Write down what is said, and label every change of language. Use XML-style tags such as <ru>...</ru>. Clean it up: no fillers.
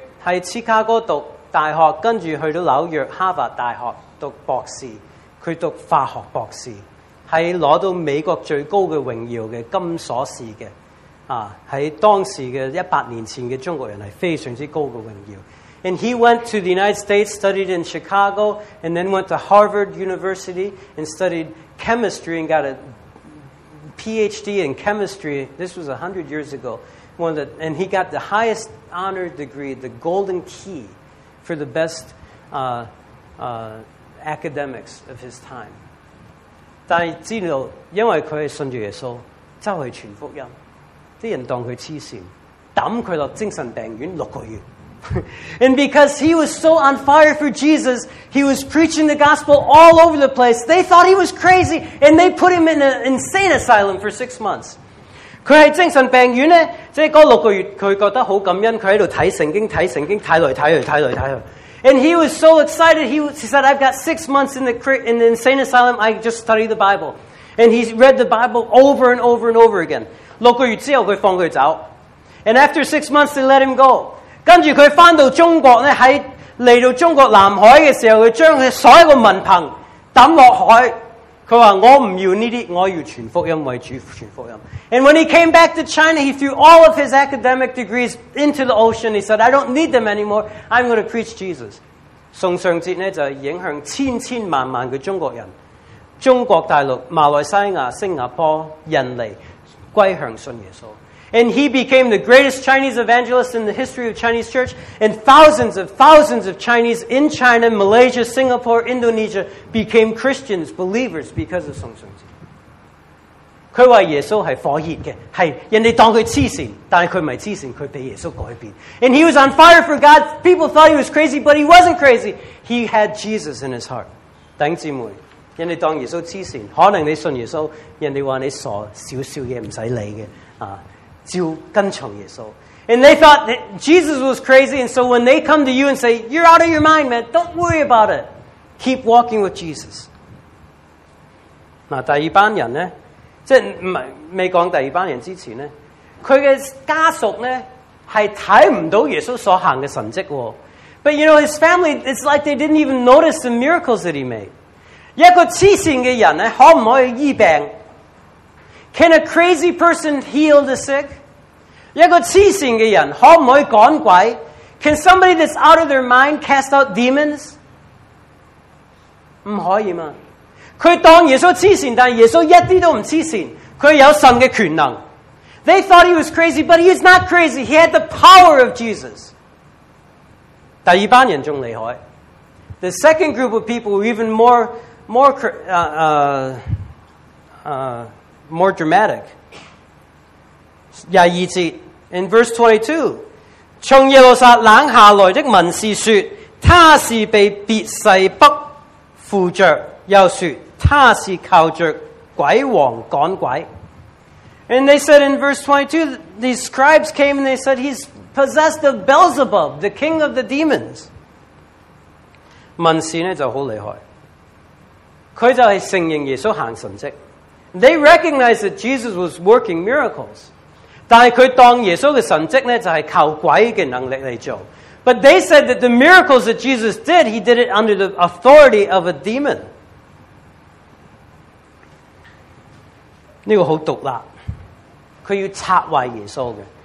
<zh>在芝加哥读大学，跟住去到纽约哈佛大学读博士，佢读化学博士，系攞到美国最高嘅荣耀嘅金锁匙嘅，啊，喺当时嘅100年前嘅中国人系非常之高嘅荣耀。</zh> <en>And he went to the United States, studied in Chicago, and then went to Harvard University and studied chemistry and got a PhD in chemistry. This was 100 years ago. And he got the highest honor degree, the golden key, for the best academics of his time.</en> <zh>但系知道，因为佢系信住耶稣，周围传福音，啲人当佢痴线，抌佢落精神病院6个月。</zh> <en>And because he was so on fire for Jesus, he was preaching the gospel all over the place. They thought he was crazy, and they put him in an insane asylum for 6 months.</en> <zh>佢喺精神病院咧。即系嗰6个月，佢觉得好感恩，佢喺度睇圣经，睇圣经，睇来睇去，睇来睇去。</zh> <en>And he was so excited. He said, "I've got 6 months in the insane asylum. I just study the Bible." And he read the Bible over and over and over again.</en> <zh>6个月之后，佢放佢走。</zh> <en>And after 6 months, they let him go.</en> <zh>跟住佢翻到中国咧，喺嚟到中国南海嘅时候，佢将佢所有嘅文凭抌落海。佢話：我唔要呢啲，我要傳福音為主，傳福音。</zh> <en>And when he came back to China, he threw all of his academic degrees into the ocean. He said, "I don't need them anymore. I'm going to preach Jesus."</en> <zh>崇尚哲呢就影響千千萬萬嘅中國人，中國大陸、馬來西亞、新加坡、印尼歸向信耶穌。</zh> <en>And he became the greatest Chinese evangelist in the history of Chinese church, and thousands of Chinese in China, Malaysia, Singapore, Indonesia became Christians, believers because of 崇尚哲。</en> <zh>佢话耶稣系火热嘅，系人哋当佢痴线，但系佢唔系痴线，佢俾耶稣改变。</zh> <en>And he was on fire for God. People thought he was crazy, but he wasn't crazy. He had Jesus in his heart.</en> <zh>弟兄姊妹，人哋当耶稣痴线，可能你信耶稣，人哋话你傻，少少嘢唔使理嘅啊。照跟从耶稣。</zh> <en>And they thought that Jesus was crazy, and so when they come to you and say, "You're out of your mind, man, don't worry about it. Keep walking with Jesus."</en> <zh>第二班人呢，即系未讲第二班人之前呢，佢嘅家属呢，系睇唔到耶稣所行嘅神迹。</zh> <en>But you know, his family, it's like they didn't even notice the miracles that he made.</en> <zh>一个痴线嘅人呢，可唔可以医病？</zh> <en>Can a crazy person heal the sick?</en> <zh>一个痴线嘅人可唔可以赶鬼？</zh> <en>Can somebody that's out of their mind cast out demons?</en> <zh>唔可以嘛？佢当耶稣痴线，但系耶稣一啲都唔痴线。佢有神嘅权能。</zh> <en>They thought he was crazy, but he's not crazy. He had the power of Jesus.</en> <zh>第二班人仲厉害。</zh> <en>The second group of people were even more dramatic.</en> <zh>22 节</zh> <en>in verse 22,</en> <zh>从耶路撒冷下来的文士说，他是被别势迫附着，又说他是靠着鬼王赶鬼。</zh> <en>And they said in verse 22, these scribes came and they said he's possessed of Beelzebub, the king of the demons.</en> <zh>文士呢就好厉害，佢就系承认耶稣行神迹。</zh> <en>They recognized that Jesus was working miracles.</en> <zh>但是他当耶稣的神迹呢，就是靠鬼的能力来做。</zh> <en>But they said that the miracles that Jesus did, he did it under the authority of a demon.</en> <zh>这个很毒辣，他要拆坏耶稣的，</zh>